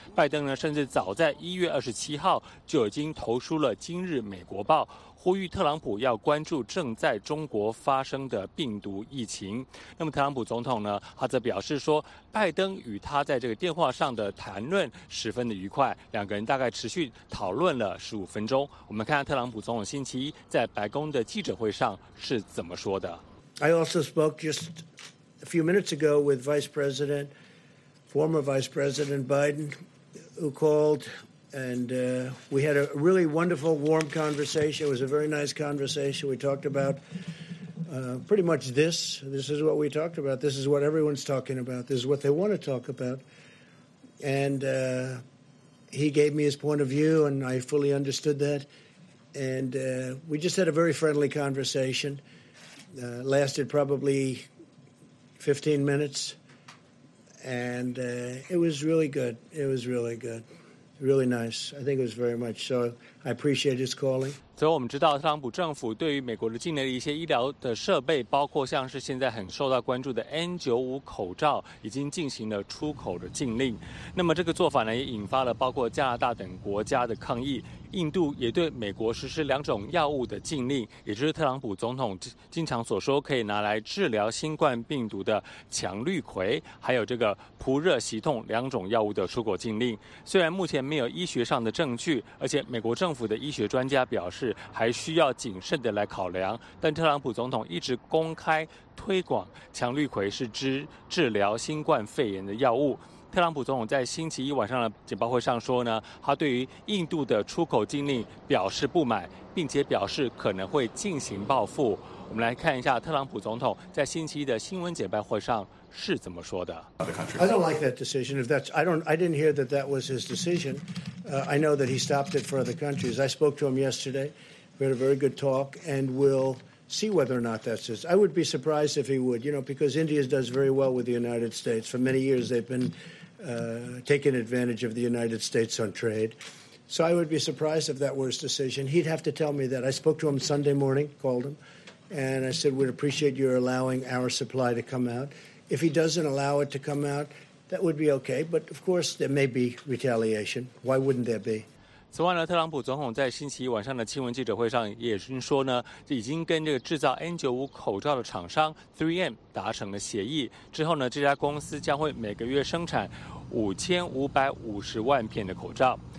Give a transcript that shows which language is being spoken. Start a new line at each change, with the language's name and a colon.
Chinese: 拜登呢，甚至早在1月27号就已经投书了《今日美国报》，呼吁特朗普要关注正在中国发生的病毒疫情。那么特朗普总统呢，他则表示说，拜登与他在这个电话上的谈论十分的愉快，两个人大概持续讨论了15分钟。我们看看特朗普总统星期一在白宫的记者会上是怎么说的。
English: I also spoke just a few minutes ago with Vice President, former Vice President Biden, who called, and we had a really wonderful, warm conversation. It was a very nice conversation. We talked about pretty much this. This is what we talked about. This is what everyone's talking about. This is what they want to talk about. And he gave me his point of view, and I fully understood that. And we just had a very friendly conversation. Lasted probably 15 minutes, and it was really good. It was really good. Really nice. I think it was very much so. I appreciate his calling.
Chinese: 所以我们知道特朗普政府对于美国的境内的一些医疗的设备，包括像是现在很受到关注的 N95 口罩已经进行了出口的禁令。那么这个做法呢，也引发了包括加拿大等国家的抗议。印度也对美国实施两种药物的禁令，也就是特朗普总统经常所说可以拿来治疗新冠病毒的强氯喹还有这个扑热息痛两种药物的出口禁令。虽然目前没有医学上的证据，而且美国政府的医学专家表示是还需要谨慎的来考量，但特朗普总统一直公开推广强氯喹是治疗新冠肺炎的药物。特朗普总统在星期一晚上的简报会上说呢，他对于印度的出口禁令表示不满，并且表示可能会进行报复。我们来看一下特朗普总统在星期一的新闻简报会上是怎么说的。
English: I don't like that decision. If that's, I didn't hear that that was his decision. I know that he stopped it for other countries. I spoke to him yesterday. We had a very good talk, and we'll see whether or not that's his. I would be surprised if he would. You know, because India does very well with the United States. For many years, they've been taking advantage of the United States on trade. So I would be surprised if that were his decision. He'd have to tell me that. I spoke to him Sunday morning, called him. And I said, we'd appreciate your allowing our supply to come out. If he doesn't allow it to come out, that would be okay. But of course, there may be retaliation. Why wouldn't there be?
Chinese: 此外呢，特朗普总统在星期一晚上的新闻记者会上也是说呢，已经跟这个制造 N95 口罩的厂商 3M 达成了协议，之后呢，这家公司将会每个月生产5550万片的口罩。